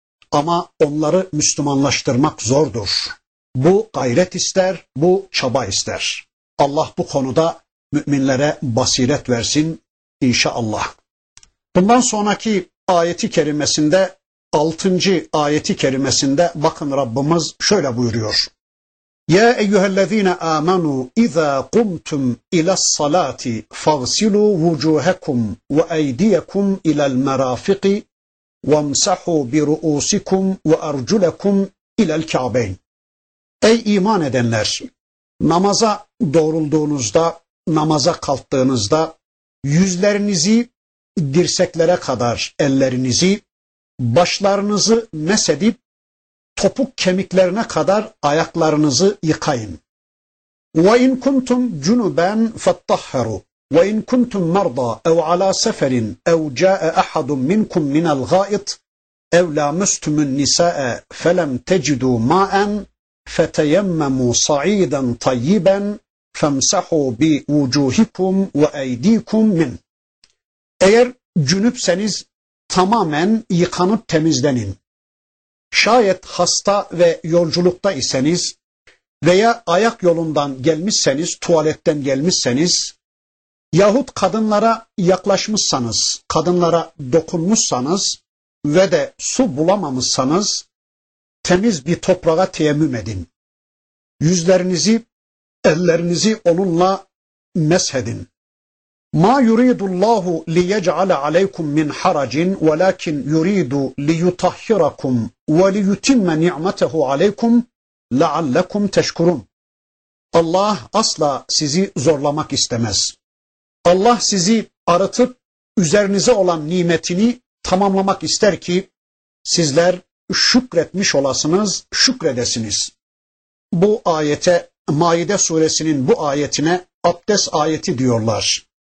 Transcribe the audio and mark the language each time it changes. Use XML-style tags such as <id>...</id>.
<tr>Ama onları Müslümanlaştırmak zordur. Bu gayret ister, bu çaba ister. Allah bu konuda müminlere basiret versin inşallah. Bundan sonraki ayeti kerimesinde, 6. ayeti kerimesinde bakın Rabbimiz şöyle buyuruyor.</tr> <ar>يَا اَيُّهَا الَّذ۪ينَ آمَنُوا اِذَا قُمْتُمْ اِلَى الصَّلَاةِ فَغْسِلُوا وُجُوهَكُمْ وَاَيْدِيَكُمْ اِلَى الْمَرَافِقِ وَامْسَحُوا بِرُؤُوسِكُمْ وَاَرْجُلَكُمْ اِلَى الْكَعْبَيْنِ</ar> <tr>Ey iman edenler! Namaza doğrulduğunuzda, namaza kalktığınızda yüzlerinizi dirseklere kadar ellerinizi, başlarınızı mesedip topuk kemiklerine kadar ayaklarınızı yıkayın.</tr> <ar>وَاِنْ كُنْتُمْ جُنُبًا فَاتَّحَّرُوا وَاِنْ كُنْتُمْ مَرْضَى اَوْ عَلَى سَفَرٍ اَوْ جَاءَ اَحَدٌ مِنْكُمْ مِنَ الْغَائِطِ اَوْ لَامَسْتُمُ النِّسَاءَ فَلَمْ تَجِدُوا مَاءً فَتَيَمَّمُوا صَعِيدًا طَيِّبًا فَامْسَحُوا بِوُجُوهِكُمْ وَاَيْدِيكُمْ مِنْ</ar> <tr>Eğer cünüpseniz tamamen yıkanıp temizlenin. Şayet hasta ve yolculukta iseniz veya ayak yolundan gelmişseniz, tuvaletten gelmişseniz yahut kadınlara yaklaşmışsanız, kadınlara dokunmuşsanız ve de su bulamamışsanız temiz bir toprağa teyemmüm edin. Yüzlerinizi, ellerinizi onunla meshedin.</tr> <ar>مَا يُرِيدُ اللّٰهُ لِيَجْعَلَ عَلَيْكُمْ مِنْ حَرَجٍ وَلَاكِنْ يُرِيدُ لِيُطَحِّرَكُمْ وَلِيُتِمَّ نِعْمَتَهُ عَلَيْكُمْ لَعَلَّكُمْ تَشْكُرُونَ</ar> <tr>Allah asla sizi zorlamak istemez. Allah sizi arıtıp üzerinize olan nimetini tamamlamak ister ki sizler şükretmiş olasınız, şükredesiniz. Bu ayete, Maide suresinin bu ayetine abdest ayeti diyorlar.</tr>